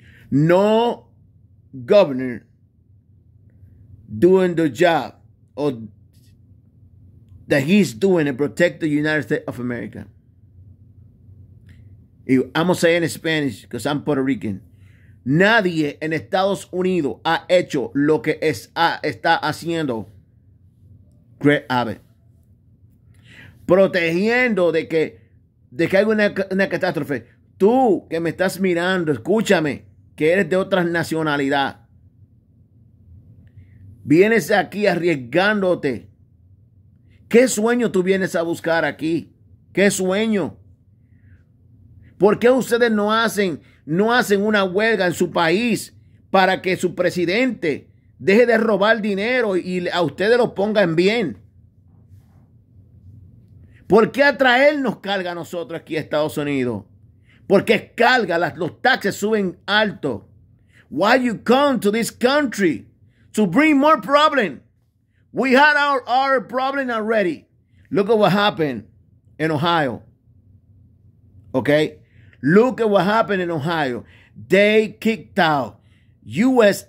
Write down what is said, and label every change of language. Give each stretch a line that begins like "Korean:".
English: No governor doing the job or that he's doing to protect the United States of America. I'm going to say in Spanish because I'm Puerto Rican.
Spanish: Nadie en Estados Unidos ha hecho lo que está haciendo Greg Abbott. Protegiendo de que haya una catástrofe. Tú que me estás mirando, escúchame, que eres de otra nacionalidad. Vienes aquí arriesgándote. ¿Qué sueño tú vienes a buscar aquí? ¿Qué sueño? ¿Por qué ustedes no hacen una huelga en su país para que su presidente deje de robar dinero y a ustedes lo pongan bien? ¿Por qué atraernos carga a nosotros aquí a Estados Unidos? Porque carga, los taxes suben alto.
English: Why you come to this country to bring more problem? We had our problem already. Look at what happened in Ohio. Okay? Look at what happened in Ohio. They kicked out U.S.